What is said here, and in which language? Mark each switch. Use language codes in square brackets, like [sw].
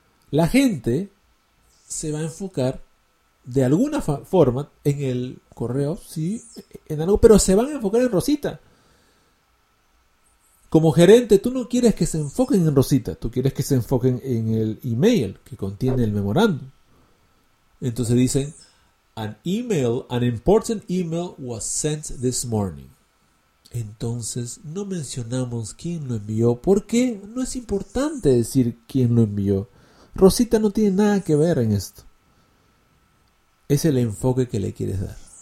[es] La gente se va a enfocar de alguna forma en el correo, sí, en algo, pero se van a enfocar en Rosita. Como gerente, tú no quieres que se enfoquen en Rosita, tú quieres que se enfoquen en el email que contiene el memorándum. Entonces dicen, [en] an important email was sent this morning. [es] Entonces no mencionamos quién lo envió, porque no es importante decir quién lo envió. Rosita no tiene nada que ver en esto. Es el enfoque que le quieres dar.